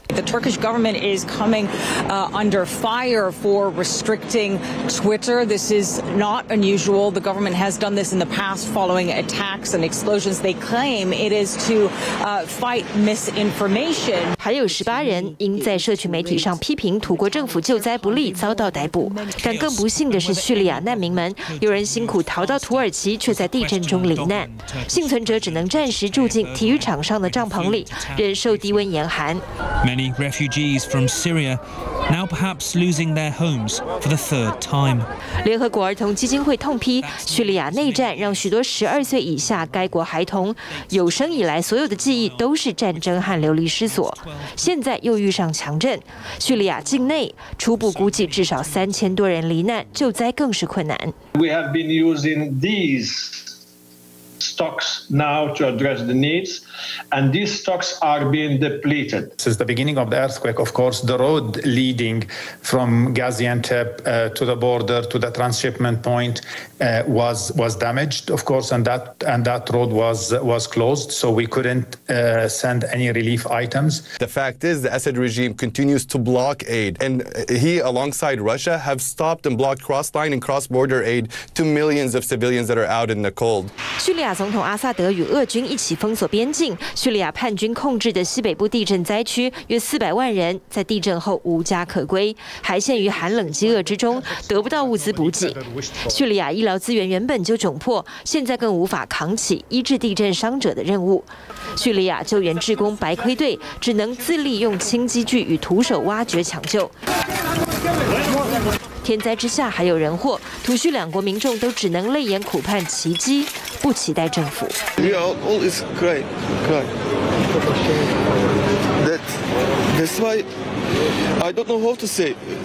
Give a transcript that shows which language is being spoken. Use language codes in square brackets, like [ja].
[en] The Turkish government is coming under fire for restricting Twitter. This is not unusual. The government has done this in the past following attacks and explosions. They claim it is to fight misinformation. [zh] 还有18人因在社区媒体上批评土国政府救灾不力遭到逮捕。但更不幸的是，叙利亚难民们，有人辛苦逃到土耳其，却在地震中罹难。幸存者只能暂时住进体育场上的帐篷里，忍受低温严寒。 [en] Many refugees from Syria now perhaps losing their homes for the third time. [zh] 联合国儿童基金会痛批，叙利亚内战让许多12岁以下该国孩童有生以来所有的记忆都是战争和流离失所，现在又遇上强震，叙利亚境内初步估计至少3000多人罹难，救灾更是困难。 [en] We have been using these stocks now to address the needs, and these stocks are being depleted. Since the beginning of the earthquake, of course, the road leading from Gaziantep to the border to the transshipment point was damaged, of course, and that road was closed, so we couldn't send any relief items. The fact is, the Assad regime continues to block aid, and he, alongside Russia, have stopped and blocked cross-line and cross-border aid to millions of civilians that are out in the cold. [zh] 亚总统阿萨德与俄军一起封锁边境，叙利亚叛军控制的西北部地震灾区约400万人在地震后无家可归，还陷于寒冷饥饿之中，得不到物资补给。叙利亚医疗资源原本就窘迫，现在更无法扛起医治地震伤者的任务。叙利亚救援志工白盔队只能自力用轻机具与徒手挖掘抢救。天灾之下还有人祸，土叙两国民众都只能泪眼苦盼奇迹，不期待政府。 [en] We are all is crying, crying. That's why I don't know how to say.